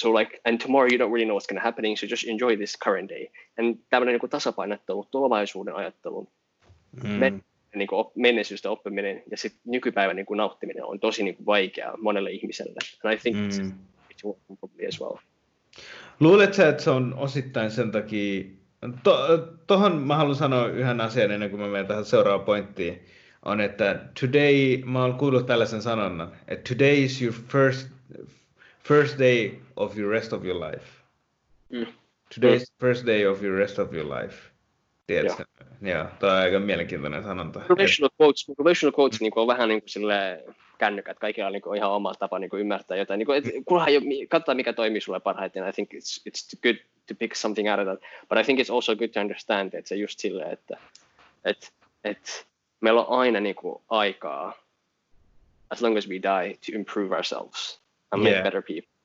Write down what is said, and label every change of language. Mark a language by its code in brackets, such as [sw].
[en] So like, and tomorrow you don't really know what's going to happen, so just enjoy this current day. And [fi] tämmöinen niinku tasapainottelu, tulevaisuuden ajattelu, niinku menneisyystä oppiminen ja sit nykypäivän niinku nauttiminen on tosi niinku vaikeaa monelle ihmiselle. [en] And I think it's probably as well. [fi] Luuletko, että se on osittain sen takia, tuohon mä haluan sanoa yhden asian ennen kuin mä menen tähän seuraavaan pointtiin, on, että today, mä oon kuullut tällaisen sanonnan, että [en] today is your first day of your rest of your life. Today is the first day of your rest of your life. [fi] Tiedätkö? Joo, toi on aika mielenkiintoinen sanonta. Relational quotes niin kuin on vähän niin kuin kännykät. Kaikilla on niin kuin ihan oma tapa niin kuin ymmärtää jotain. Niin kuin, kunhan jo katsotaan, mikä toimii sulle parhaiten. [en] I think it's good to pick something out of that. But I think it's also good to understand, [fi] että se just silleen, että meillä on aina niin kuin aikaa, [en] as long as we die, to improve ourselves and make better people.